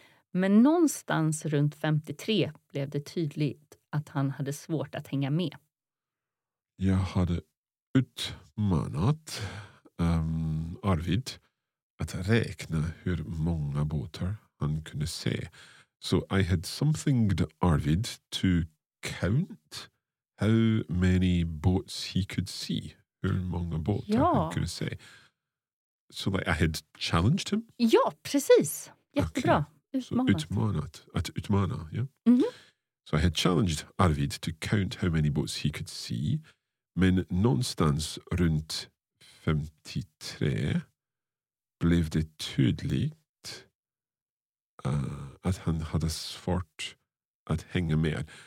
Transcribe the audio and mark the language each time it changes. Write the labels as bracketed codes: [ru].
[sv] Men någonstans runt 53 blev det tydligt att han hade svårt att hänga med. Jag hade utmanat Arvid att räkna hur många båtar han kunde se. [en] So I had somethinged Arvid to count how many boats he could see. [sv] Hur många båtar han kunde se. [en] So like I had challenged him? [sv] Ja, precis. Jättebra. Okay. Utmanat. Utmanat. Att utmana, ja. Yeah? Mm-hmm. [en] So I had challenged Arvid to count how many boats he could see. [sv] Men någonstans runt 53 blev det tydligt att han hade svårt att hänga med.